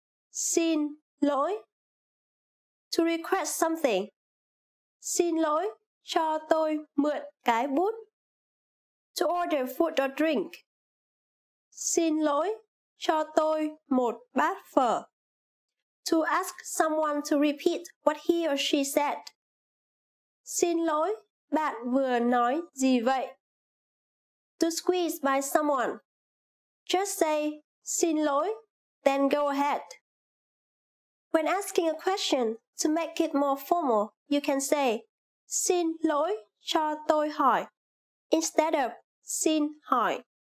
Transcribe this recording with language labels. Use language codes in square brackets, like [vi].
[vi] Xin lỗi. [en] To request something. [vi] Xin lỗi, cho tôi mượn cái bút. [en] To order food or drink. [vi] Xin lỗi, cho tôi một bát phở. [en] To ask someone to repeat what he or she said. [vi] Xin lỗi, bạn vừa nói gì vậy? [en] To squeeze by someone. Just say, [vi] xin lỗi, [en] then go ahead. When asking a question, to make it more formal, you can say, [vi] xin lỗi cho tôi hỏi, [en] instead of xin hỏi.